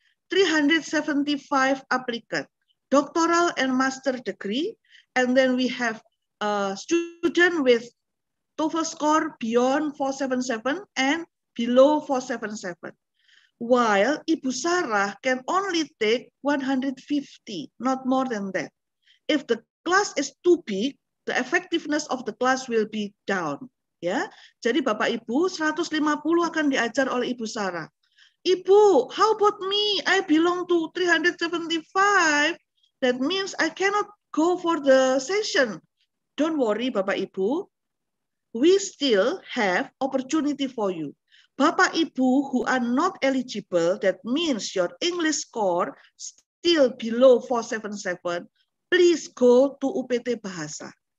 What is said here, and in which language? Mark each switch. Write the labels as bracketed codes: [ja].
[en] 375 applicants. Doctoral and master degree, and then we have a student with TOEFL score beyond 477 and below 477. While Ibu Sarah can only take 150, not more than that. If the class is too big, the effectiveness of the class will be down. [id] Ya, jadi Bapak Ibu 150 akan diajar oleh Ibu Sarah. [en] Ibu, how about me? I belong to 375. That means I cannot go for the session. Don't worry, Bapak Ibu. We still have opportunity for you. Bapak Ibu who are not eligible, that means your English score still below 477, please go to UPT Bahasa.